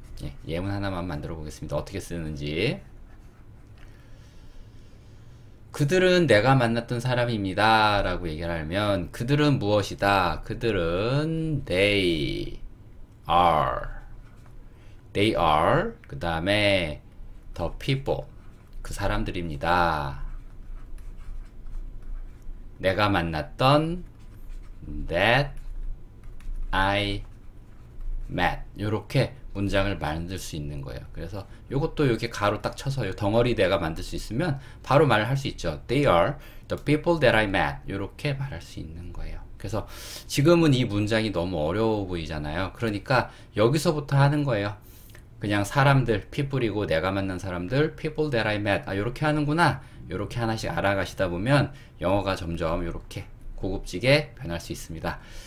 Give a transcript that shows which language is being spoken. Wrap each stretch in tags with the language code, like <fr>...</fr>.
<ko>예, 예문 하나만 만들어 보겠습니다. 어떻게 쓰는지. 그들은 내가 만났던 사람입니다. 라고 얘기를 하면, 그들은 무엇이다? 그들은</ko> <en>they are. They are.</en> <ko>그 다음에</ko> <en>the people.</en> <ko>그 사람들입니다. 내가 만났던</ko> <en>that I met.</en> <ko>요렇게. 문장을 만들 수 있는 거예요. 그래서 이것도 이렇게 가로 딱 쳐서 요 덩어리 내가 만들 수 있으면 바로 말을 할수 있죠.</ko> <en>They are the people that I met.</en> <ko>이렇게 말할 수 있는 거예요. 그래서 지금은 이 문장이 너무 어려워 보이잖아요. 그러니까 여기서부터 하는 거예요. 그냥 사람들, people이고 내가 만난 사람들,</ko> <en>people that I met.</en> <ko>아, 이렇게 하는구나. 이렇게 하나씩 알아가시다 보면 영어가 점점 이렇게 고급지게 변할 수 있습니다.</ko>